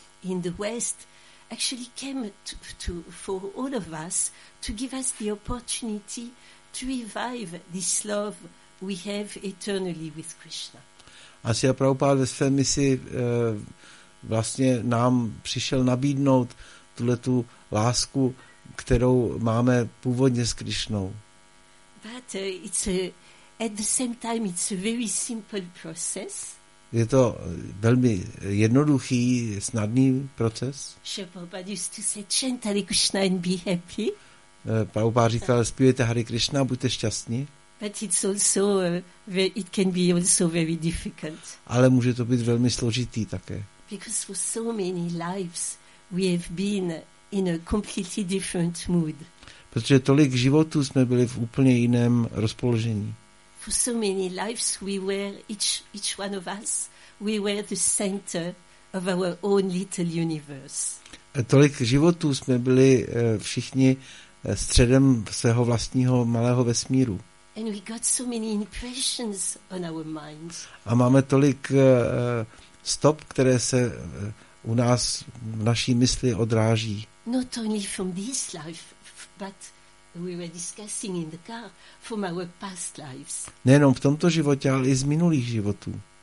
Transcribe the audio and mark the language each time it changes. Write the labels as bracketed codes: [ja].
[en] in the West actually came to for all of us to give us the opportunity to revive this love we have eternally with Krishna. [cs] A Srila Prabhupada ve své misi vlastně nám přišel nabídnout tuhle tu lásku, kterou máme původně s Krišnou. [en] But it's a, at the same time it's a very simple process. [cs] Je to velmi jednoduchý, snadný proces. [en] Prabhupada used to say, chant Hare Krishna and be happy. [cs] Prabhupada říkal, zpívejte Hare Krishna, buďte šťastní. [en] But it's also it can be also very difficult. [cs] Ale může to být velmi složitý také. [en] Because for so many lives we have been in a completely different mood. [cs] Protože tolik životů jsme byli v úplně jiném rozpoložení. [en] For so many lives we were each one of us we were the center of our own little universe. [cs] Tolik životů jsme byli všichni středem svého vlastního malého vesmíru. [en] And we got so many impressions on our minds. [cs] A máme tolik stop, které se u nás v naší mysli odráží. [en] Not only from this life, but we were discussing in the car from our past lives. [cs] Nejenom v tomto životě, ale i z minulých životů.